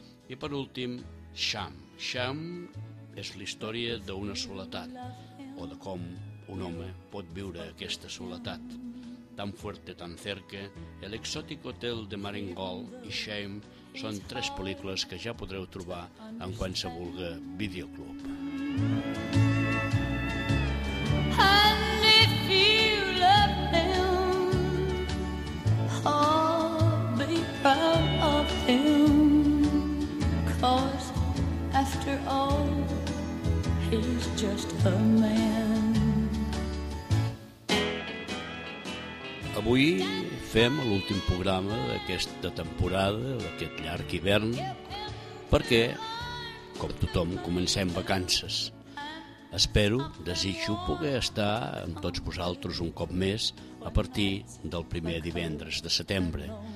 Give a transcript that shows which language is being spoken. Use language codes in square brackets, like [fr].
[ca] I per últim, Sham. Sham és la història d'una soledat, o de com un home pot viure aquesta soledat. Tan fuerte, tan cerca, El exòtic hotel de Maringold i Shame són tres pel·lícules que ja podreu trobar en qualsevol videoclub. [en] And if you love him, oh, be proud of him, 'cause after all, he's just a man. [ca] Avui fem l'últim programa d'aquesta temporada, d'aquest llarg hivern, perquè, com tothom, comencem vacances. Espero, desitjo poder estar amb tots vosaltres un cop més a partir del primer divendres de setembre.